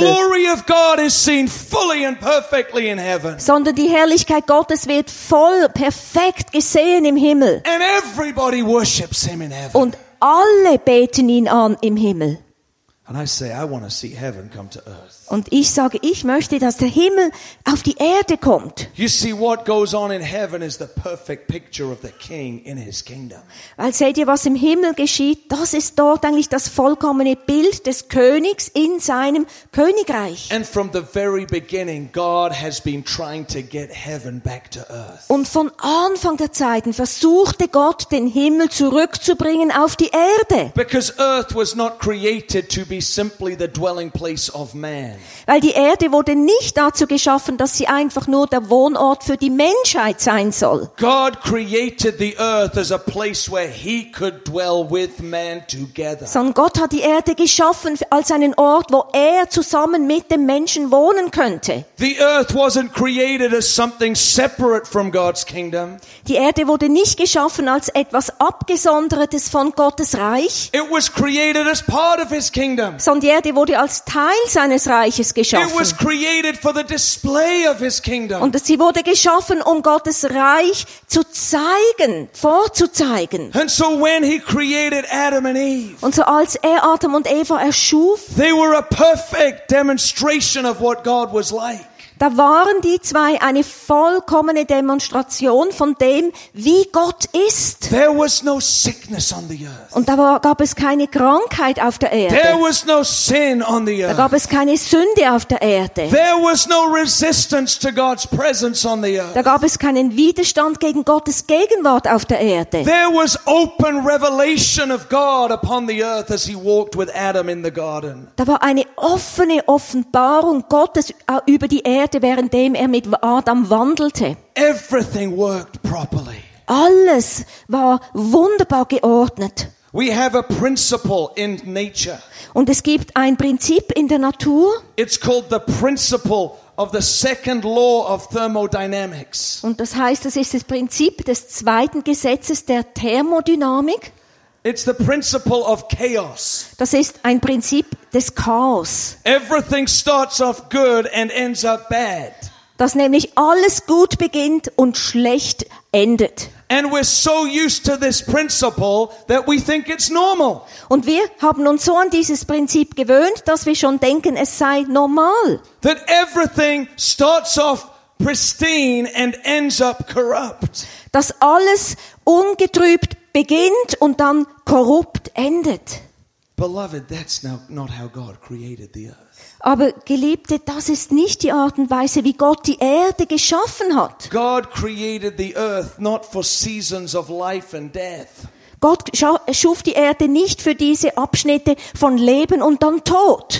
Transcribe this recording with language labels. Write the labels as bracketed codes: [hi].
[en] Glory of God is seen fully and perfectly in heaven. [de] Sondern die Herrlichkeit Gottes wird voll perfekt gesehen im Himmel. [en] And everybody worships him in heaven. [de] Und alle beten ihn an im Himmel. [en] And I say, I want to see heaven come to earth. [de] Und ich sage, ich möchte, dass der Himmel auf die Erde kommt. [en] You see, what goes on in heaven is the perfect picture of the King in His kingdom. [de] Weil seht ihr, was im Himmel geschieht, das ist dort eigentlich das vollkommene Bild des Königs in seinem Königreich. [en] And from the very beginning, God has been trying to get heaven back to earth. [de] Und von Anfang der Zeiten versuchte Gott, den Himmel zurückzubringen auf die Erde. [en] Because earth was not created to be simply the dwelling place of man. [de] Weil die Erde wurde nicht dazu geschaffen, dass sie einfach nur der Wohnort für die Menschheit sein soll. [en] God created the earth as a place where he could dwell with man together. [de] Sondern Gott hat die Erde geschaffen als einen Ort, wo er zusammen mit dem Menschen wohnen könnte. [en] The earth wasn't created as something separate from God's kingdom. [de] Die Erde wurde nicht geschaffen als etwas Abgesondertes von Gottes Reich. [en] It was created as part of his kingdom. [de] Sondern die Erde wurde als Teil seines Reiches geschaffen. [en] It was created for the display of his kingdom. [de] Und sie wurde geschaffen, um Gottes Reich zu zeigen, vorzuzeigen. [en] And so when he created Adam and Eve, [de] und so als er Adam und Eva erschuf, [en] they were a perfect demonstration of what God was like. [de] Da waren die zwei eine vollkommene Demonstration von dem, wie Gott ist. [en] There was no sickness on the earth. [de] Und da gab es keine Krankheit auf der Erde. [en] There was no sin on the earth. [de] Da gab es keine Sünde auf der Erde. [en] There was no resistance to God's presence on the earth. [de] Da gab es keinen Widerstand gegen Gottes Gegenwart auf der Erde. [en] There was open revelation of God upon the earth as he walked with Adam in the garden. [de] Da war eine offene Offenbarung Gottes über die Erde, währenddem er mit Adam wandelte. [en] Everything worked properly. [de] Alles war wunderbar geordnet. [en] We have a principle in nature. [de] Und es gibt ein Prinzip in der Natur. [en] It's called the principle of the second law of thermodynamics. [de] Und das heißt, es ist das Prinzip des zweiten Gesetzes der Thermodynamik. [en] It's the principle of chaos. [de] Das ist ein Prinzip des Chaos. [en] Everything starts off good and ends up bad. [de] Dass nämlich alles gut beginnt und schlecht endet. [en] And we're so used to this principle that we think it's normal. [de] Und wir haben uns so an dieses Prinzip gewöhnt, dass wir schon denken, es sei normal. [en] That everything starts off pristine and ends up corrupt. [de] Dass alles ungetrübt beginnt und dann korrupt endet. [en] Beloved, that's not how God created the earth. [de] Aber Geliebte, das ist nicht die Art und Weise, wie Gott die Erde geschaffen hat. [en] God created the earth not for seasons of life and death. [de] Gott schuf die Erde nicht für diese Abschnitte von Leben und dann Tod.